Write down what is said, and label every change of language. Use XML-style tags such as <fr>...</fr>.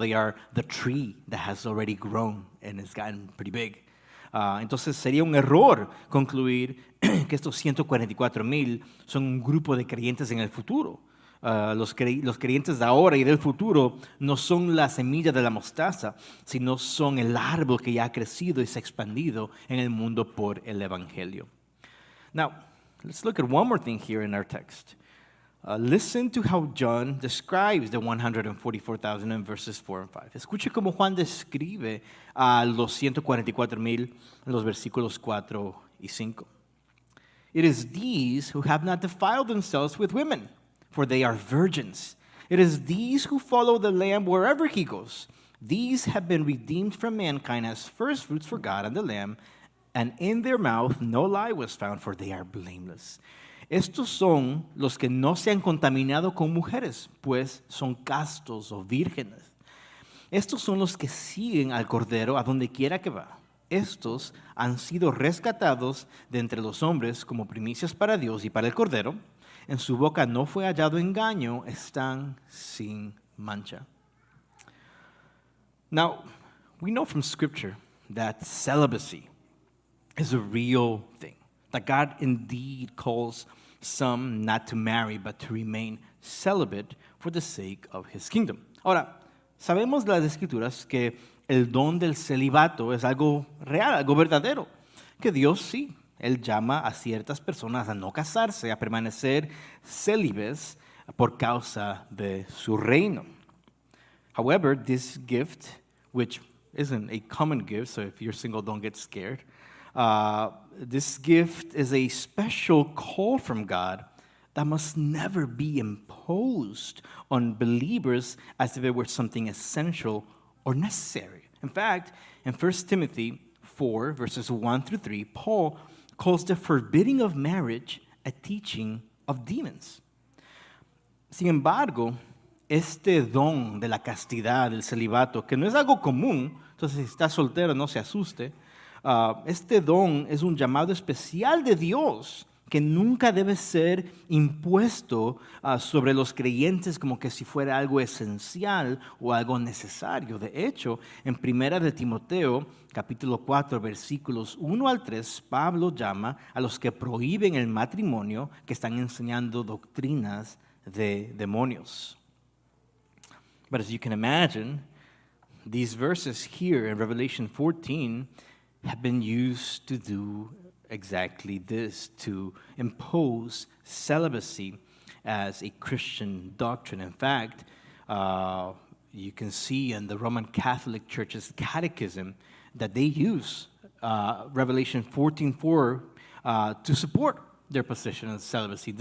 <en>They are the tree that has already grown and has gotten pretty big.</en> <es>Entonces sería un error concluir que estos 144,000 son un grupo de creyentes en el futuro. Los creyentes de ahora y del futuro no son la semilla de la mostaza, sino son el árbol que ya ha crecido y se ha expandido en el mundo por el evangelio.</es> <en>Now, let's look at one more thing here in our text. Listen to how John describes the 144,000 in verses 4 and 5.</en> <es>Escuche cómo Juan describe a los 144,000 en los versículos 4 y 5.</es> <en>It is these who have not defiled themselves with women, for they are virgins. It is these who follow the Lamb wherever he goes. These have been redeemed from mankind as first fruits for God and the Lamb, and in their mouth no lie was found, for they are blameless.</en> <es>Estos son los que no se han contaminado con mujeres, pues son castos o vírgenes. Estos son los que siguen al Cordero a donde quiera que va. Estos han sido rescatados de entre los hombres como primicias para Dios y para el Cordero. En su boca no fue hallado engaño, están sin mancha.</es> <en>Now, we know from Scripture that celibacy is a real thing, that God indeed calls some not to marry, but to remain celibate for the sake of his kingdom.</en> <es>Ahora, sabemos de las Escrituras que el don del celibato es algo real, algo verdadero, que Dios sí Él llama a ciertas personas a no casarse, a permanecer célibes por causa de su reino.</es> <en>However, this gift, which isn't a common gift, so if you're single, don't get scared. This gift is a special call from God that must never be imposed on believers as if it were something essential or necessary. In fact, in 1 Timothy 4, verses 1 through 3, Paul calls the forbidding of marriage a teaching of demons.</en> <es>Sin embargo, este don de la castidad, del celibato, que no es algo común, entonces si estás soltero no se asuste, este don es un llamado especial de Dios que nunca debe ser impuesto sobre los creyentes como que si fuera algo esencial o algo necesario. De hecho, en 1 de Timoteo, capítulo 4, versículos 1 al 3, Pablo llama a los que prohíben el matrimonio que están enseñando doctrinas de demonios.</es> <en>But as you can imagine, these verses here in Revelation 14 have been used to do exactly this, to impose celibacy as a Christian doctrine. In fact, you can see in the Roman Catholic Church's catechism that they use Revelation 14:4 to support their position on celibacy.</en>